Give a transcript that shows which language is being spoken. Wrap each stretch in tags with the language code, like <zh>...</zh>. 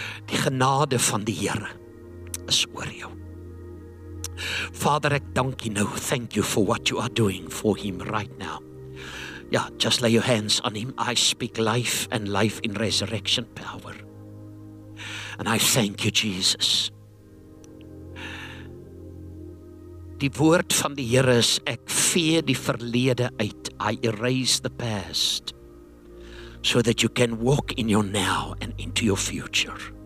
<af>Die genade van die Here is oor jou. Father, ek dank u nou.</af> <en>Thank you for what you are doing for him right now. Yeah, just lay your hands on him. I speak life and life in resurrection power. And I thank you, Jesus.</en> <af>Die woord van die Here is, ek vee die verlede uit.</af> <en>I erase the past. So that you can walk in your now and into your future.</en>